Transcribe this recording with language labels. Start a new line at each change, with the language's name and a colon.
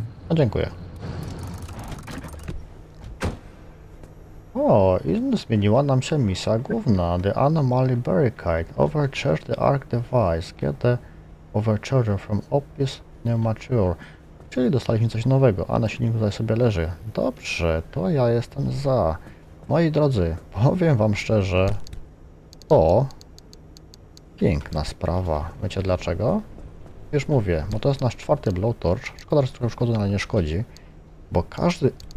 Polish: No, dziękuję. O, i zmieniła nam się misja główna.
English: The Anomaly Barricade. Overcharge the Arc Device. Get the Overcharger from Opus Neumature.
Polish: Czyli dostaliśmy coś nowego. A na silniku tutaj sobie leży. Dobrze, to ja jestem za. Moi drodzy, powiem wam szczerze, to piękna sprawa. Wiecie dlaczego? Już mówię, bo to jest nasz czwarty Blowtorch. Szkoda, że trochę szkodzi, ale nie szkodzi. Bo każdy...